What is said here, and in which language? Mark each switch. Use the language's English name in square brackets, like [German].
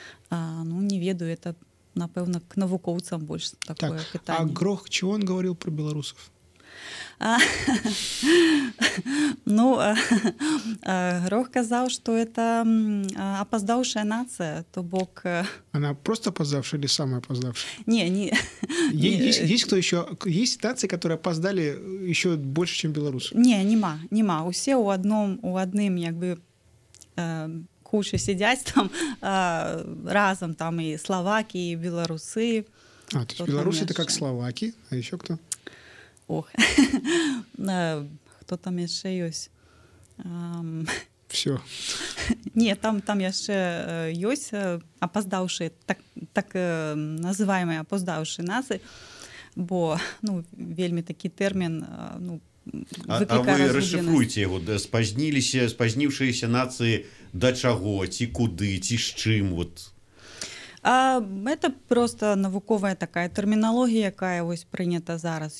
[Belarusian] Угу. Ну, не ведаю, [Russian] это, [Belarusian] напэўна, к навукоўцам больш такое так, пытанне. А Грох, чаго он гаварыў пра беларусаў? Ну, Грох казаў, што [Russian] это [Belarusian] апаздаўшая нацыя, то бок... [Russian] Она просто апаздаўшая или самая апаздаўшая? Не. Есть кто еще? Есть нацыі, которые апаздалі еще больше, чем беларусы? [Ukrainian] Не, нема. [Belarusian] Усе у адным, як бы... [Russian] куча сидять там разом, там и словаки, и белорусы. А, то есть белорусы — это как словаки, а еще кто? Ох, кто там еще есть? Все. Не, там еще есть опоздавшие, так называемые опоздавшие нации. [Belarusian] бо ну вельмі такі тэрмін ну А вы расшыфруйце яго, да, спазніліся, спазніўшыяся нацыі да чаго, ці куды, ці з чым, вот. [Russian] А это просто [Belarusian] навуковая такая тэрміналогія, якая вось прынята зараз.